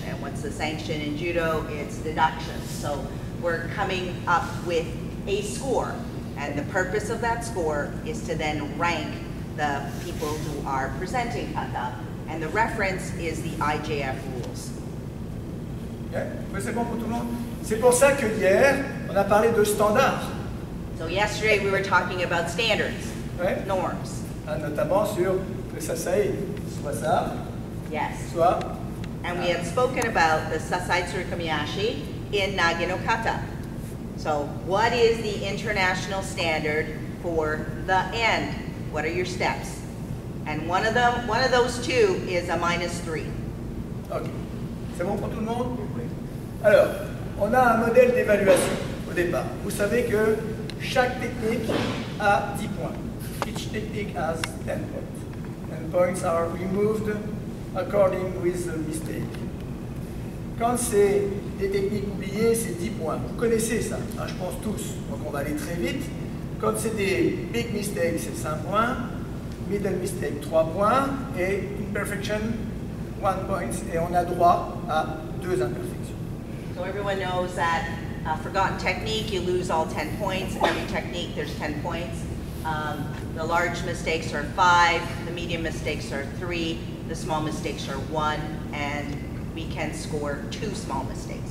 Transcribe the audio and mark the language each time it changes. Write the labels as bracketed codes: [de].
[en] And what's the sanction in judo? It's deduction. So we're coming up with a score. And the purpose of that score is to then rank the people who are presenting kata. And the reference is the IJF rules. Yeah. [fr] Mais c'est bon pour tout le monde. C'est pour ça que hier, on a parlé de standards. [en] So yesterday we were talking about standards, [fr] ouais. [en] Norms. [fr] Notamment sur le sasai, soit ça, [en] yes. [fr] Soit... [en] And we have spoken about the sasai tsurukamiyashi in nagino kata. So what is the international standard for the end? What are your steps? And one of them, one of those two is a minus three. Ok. [fr] C'est bon pour tout le monde? Oui. Alors, on a un modèle d'évaluation au départ. Vous savez que chaque technique a 10 points. Each technique has 10 points. And points are removed according with the mistake. Quand c'est des techniques oubliées, c'est 10 points. Vous connaissez ça, hein, je pense tous. Donc on va aller très vite. Quand c'est des [en] big mistakes, [fr] c'est 5 points. [en] Middle mistake, [fr] 3 points. Et imperfection, 1 point. Et on a droit à 2 imperfections. [en] So everyone knows that a forgotten technique, you lose all 10 points. Every technique, there's 10 points. The large mistakes are 5, the medium mistakes are 3, the small mistakes are 1, and we can score 2 small mistakes.